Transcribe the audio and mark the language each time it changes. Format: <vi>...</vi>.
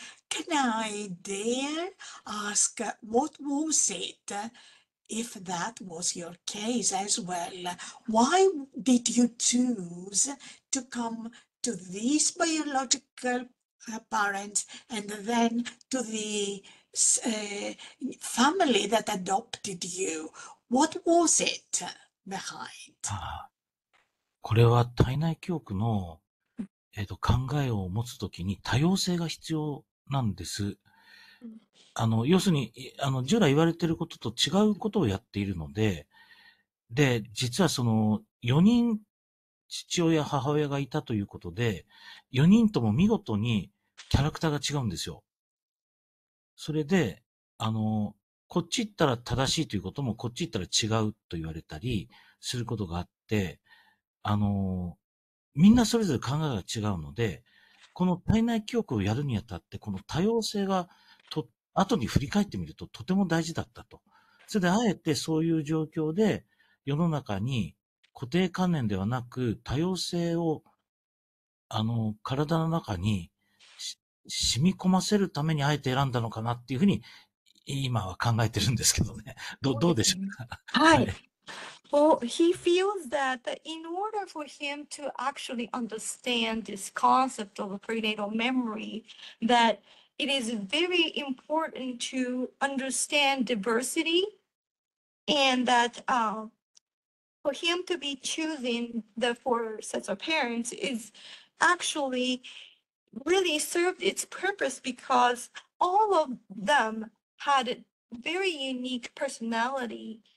<en>Can I dare ask what was it, if that was your case as well? Why did you choose to come to this biological parents and then to the family that adopted you. What was it behind?</en> <ja>これは体内記憶の、考えを持つときに多様性が必要なんです。要するに、従来言われていることと違うことをやっているので、で、実はその4人父親、母親がいたということで、4人とも見事にキャラクターが違うんですよ。それで、こっち行ったら正しいということも、こっち行ったら違うと言われたりすることがあって、みんなそれぞれ考えが違うので、この体内記憶をやるにあたって、この多様性が、後に振り返ってみると、とても大事だったと。それで、あえてそういう状況で、世の中に、固定観念ではなく多様性を体の中に染み込ませるためにあえて選んだのかなっていうふうに今は考えてるんですけどね。どうでしょうか。</ja> <en>Well, he feels that in order for him to actually understand this concept of prenatal memory, that it is very important to understand diversity and that for him to be choosing the four sets of parents is actually really served its purpose because all of them had a very unique personality.</en>